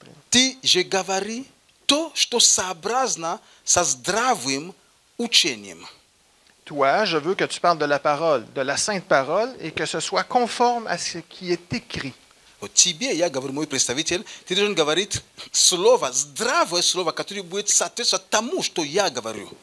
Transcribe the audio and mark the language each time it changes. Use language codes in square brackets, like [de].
[ru] Ты же говори то, что сообразно со здравым учением. [fr] Toi, je veux que tu parles de la parole, de la sainte parole, et que ce soit conforme à ce qui est écrit. [ru] Тебе, я говорю, мой представитель, ты должен говорить слово, здравое слово, которое будет соответствовать тому, что я говорю.